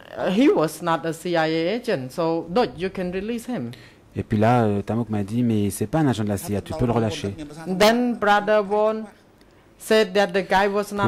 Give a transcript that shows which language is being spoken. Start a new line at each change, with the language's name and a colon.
English: He was not a CIA agent, so Dutch, you can release him.
French: Et puis là, Tamok m'a dit, mais c'est pas un agent de la CIA, tu peux le relâcher.
English: Then Brother Won said that the guy was not